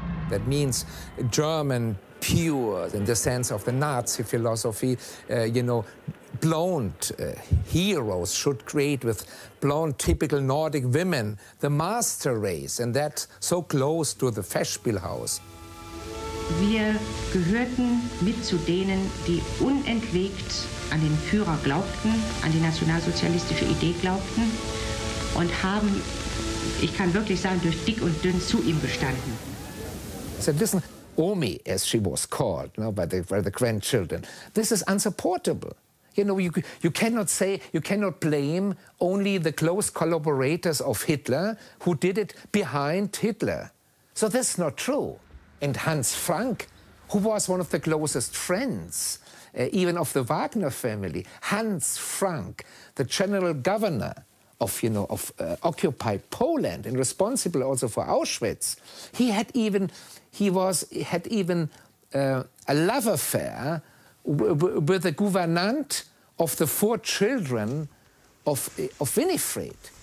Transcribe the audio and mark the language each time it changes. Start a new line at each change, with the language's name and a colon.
English: That means German pure in the sense of the Nazi philosophy, blonde heroes should create with blonde typical Nordic women the master race, and that's so close to the Festspiel House.
German: Wir gehörten mit zu denen, die unentwegt an den Führer glaubten, an die nationalsozialistische Idee glaubten und haben, ich kann wirklich sagen, durch dick und dünn zu ihm gestanden.
English: I said, listen, Omi, as she was called, by the grandchildren, this is unsupportable. You cannot blame only the close collaborators of Hitler who did it behind Hitler. So this is not true. And Hans Frank, who was one of the closest friends, even of the Wagner family, Hans Frank, the general governor of occupied Poland and responsible also for Auschwitz, he had even a love affair with the gouvernante of the four children of Winifred.